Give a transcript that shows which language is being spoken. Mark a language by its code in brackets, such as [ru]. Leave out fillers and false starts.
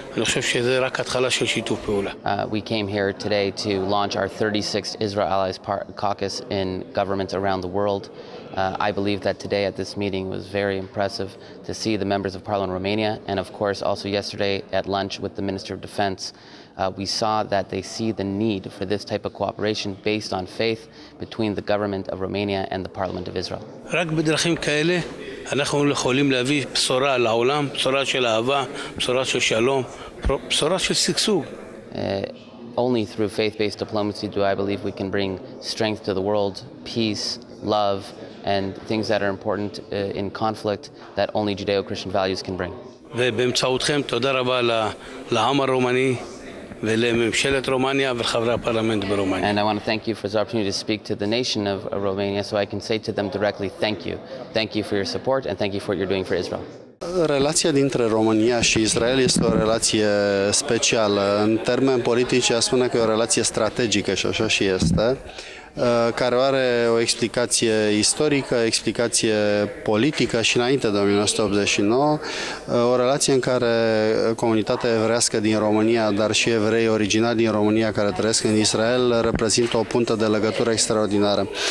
[he] אני חושב שזה רק התחלה של שיתוף פעולה. [en] We came here today to launch our 36th Israel Allies Caucus in governments around the world. I believe that today at this meeting was very impressive to see the members of Parliament Romania, and of course also yesterday at lunch with the Minister of Defense. We saw that they see the need for this type of cooperation based on faith between the government of Romania and the Parliament of Israel. [he] רק בדרכים כאלה אנחנו יכולים להביא בשורה לעולם, בשורה של אהבה, בשורה של שלום, בשורה של שגשוג. [en] Only through faith-based diplomacy do I believe we can bring strength to the world, peace, love, and things that are important in conflict that only Judeo-Christian values can bring. [he] ובאמצעותכם, תודה רבה לעם הרומני ולממשלת רומניה ולחברי הפרלמנט ברומניה. [en] And I want to thank you for this opportunity to speak to the nation of Romania, so I can say to them directly, thank you. Thank you for your support and thank you for what you're doing for Israel. [ro] Relația dintre România și Israel este o relație specială. În termeni politici, aș spune că e o relație strategică și așa și este, care are o explicație istorică, explicație politică și înainte de 1989, o relație în care comunitatea evrească din România, dar și evrei originari din România care trăiesc în Israel, reprezintă o puntă de legătură extraordinară.